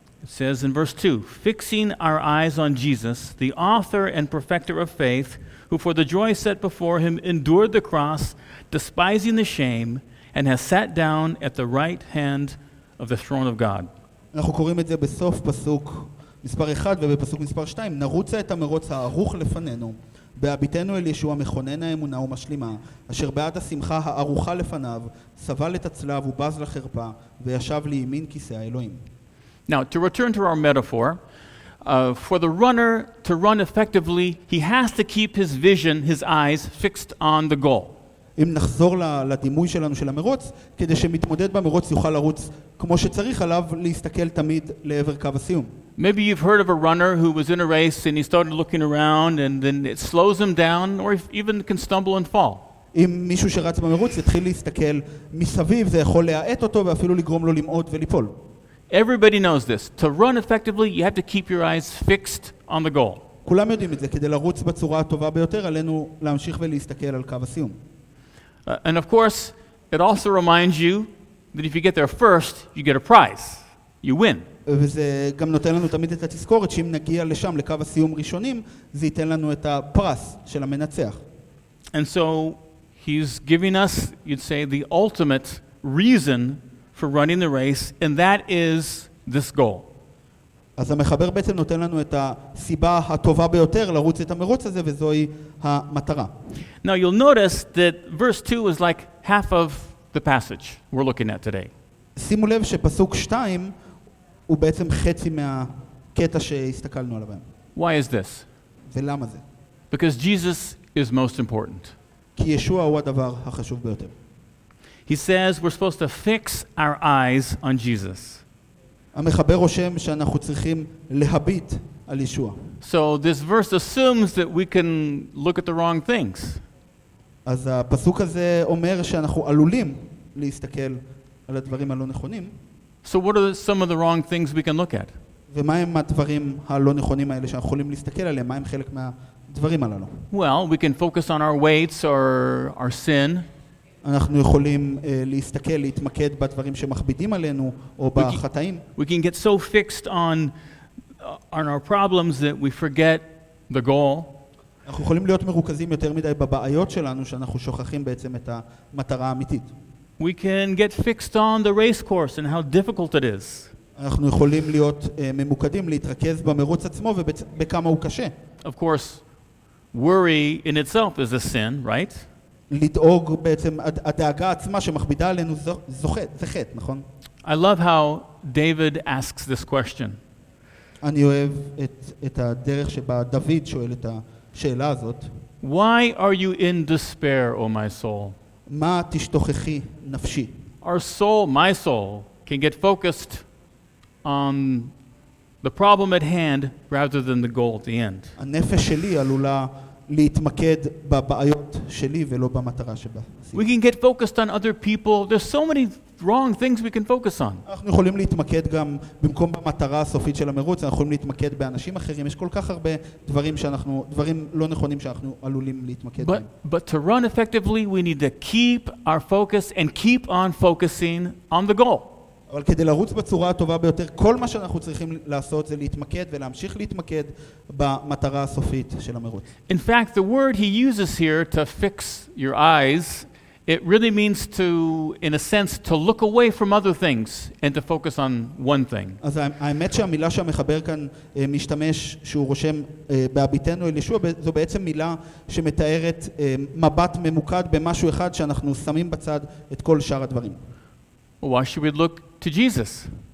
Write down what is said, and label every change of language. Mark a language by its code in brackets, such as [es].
[en] It says in verse 2, fixing our eyes on Jesus, the author and perfecter of faith, who for the joy set before him endured the cross, despising the shame, and has sat down at the right hand of the throne of God. [he] אנחנו קוראים את זה בסוף פסוק מספר 1 ובפסוק מספר 2, נרוצה את המרוץ הארוך לפנינו, בהביטנו אל ישוע מכונן האמונה ומשלימה, אשר בעד השמחה הארוכה לפניו, סבל את הצלב ובז לחרפה, וישב לימין כיסא האלוהים. [en] Now to return to our metaphor, for the runner to run effectively, he has to keep his vision, his eyes fixed on the goal. [he] אם נחזור לדימוי שלנו של המרוץ, כדי שמתמודד במרוץ יוכל לרוץ כמו שצריך עליו להסתכל תמיד לעבר קו הסיום. [en] Maybe you've heard of a runner who was in a race and he started looking around and then it slows him down or even can stumble and fall. [he] אם מישהו שרץ במרוץ יתחיל להסתכל מסביב, זה יכול להאט אותו ואפילו לגרום לו למעוד וליפול. [en] Everybody knows this. To run effectively, you have to keep your eyes fixed on the goal. [he] כולם יודעים את זה. כדי לרוץ בצורה הטובה ביותר, עלינו להמשיך ולהסתכל על קו הסיום. [en] And of course, it also reminds you that if you get there first, you get a prize. You win. [he] וזה גם נותן לנו תמיד את התזכורת שאם נגיע לשם לקו הסיום ראשונים, זה ייתן לנו את הפרס של המנצח. [en] And so he's giving us, you'd say, the ultimate reason for running the race, and that is this goal. [he] אז המחבר בעצם נותן לנו את הסיבה הטובה ביותר לרוץ את המרוץ הזה, וזוהי המטרה. [en] Now you'll notice that verse 2 is like half of the passage we're looking at today. [he] שימו לב שפסוק 2 הוא בעצם חצי מהקטע שהסתכלנו עליו. [en] Why is this? [he] ולמה זה? [en] Because Jesus is most important. [he] כי ישוע הוא הדבר החשוב ביותר. [en] He says we're supposed to fix our eyes on Jesus. [he] המחבר רושם שאנחנו צריכים להביט על ישוע. [en] So this verse assumes that we can look at the wrong things. [he] אז הפסוק הזה אומר שאנחנו עלולים להסתכל על הדברים הלא נכונים. [en] So what are some of the wrong things we can look at? [he] ומהם הדברים הלא נכונים האלה שאנחנו יכולים להסתכל עליהם? מהם חלק מהדברים הללו? [en] Well, we can focus on our weights or our sin. [he] אנחנו יכולים להסתכל, להתמקד בדברים שמכבידים עלינו או בחטאים. [en] We can get so fixed on our problems that we forget the goal. [he] אנחנו יכולים להיות מרוכזים יותר מדי בבעיות שלנו שאנחנו שוכחים בעצם את המטרה האמיתית. [en] We can get fixed on the race course and how difficult it is. [he] אנחנו יכולים להיות ממוקדים להתרכז במרוץ עצמו ובכמה הוא קשה. [en] Of course, worry in itself is a sin, right? [he] לדאוג בעצם הדאגה עצמה שמכבידה עלינו זה חטא, נכון? [en] I love how David asks this question. [he] אני אוהב את הדרך שבה דוד שואל את השאלה הזאת. [en] Why are you in despair, O my soul? [he] מה תשתוכחי נפשי? [en] Our soul, my soul, can get focused on the problem at hand rather than the goal at the end. [he] הנפש שלי עלולה להתמקד בבעיות שלי ולא במטרה שבה. [en] We can get focused on other people. There's so many wrong things we can focus on. [he] אנחנו יכולים להתמקד גם במקום במטרה הסופית של המרוץ, אנחנו יכולים להתמקד באנשים אחרים. יש כל כך הרבה דברים לא נכונים שאנחנו עלולים להתמקד בהם. [en] But to run effectively, we need to keep our focus and keep on focusing on the goal. [he] אבל כדי לרוץ בצורה הטובה ביותר, כל מה שאנחנו צריכים לעשות זה להתמקד ולהמשיך להתמקד במטרה הסופית של המרוץ. [en] In fact, the word he uses here to fix your eyes, it really means to, in a sense, to look away from other things and to focus on one thing. [he] אז האמת שהמילה שהמחבר כאן משתמש, שהוא רושם בהביטנו אל ישוע, זו בעצם מילה שמתארת מבט ממוקד במשהו אחד שאנחנו שמים בצד את כל שאר הדברים. [en] Why should we look to Jesus?